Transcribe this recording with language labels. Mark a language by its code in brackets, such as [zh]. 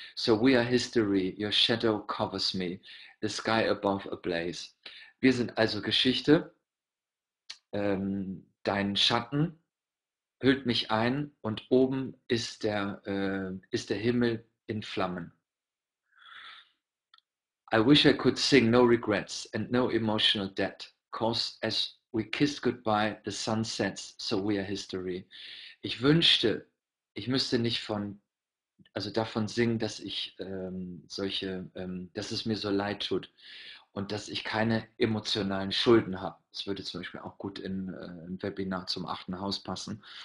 [en] So we are history, your shadow covers me, the sky above ablaze. [de] Wir sind also Geschichte, dein Schatten hüllt mich ein und oben ist der Himmel in Flammen. [en] I wish I could sing no regrets and no emotional debt, 'cause as we kiss goodbye, the sun sets, so we are history. [de] Ich wünschte, ich müsste nicht von, also davon singen, dass ich dass es mir so leid tut und dass ich keine emotionalen Schulden habe. Das würde zum Beispiel auch gut in ein Webinar zum achten Haus passen.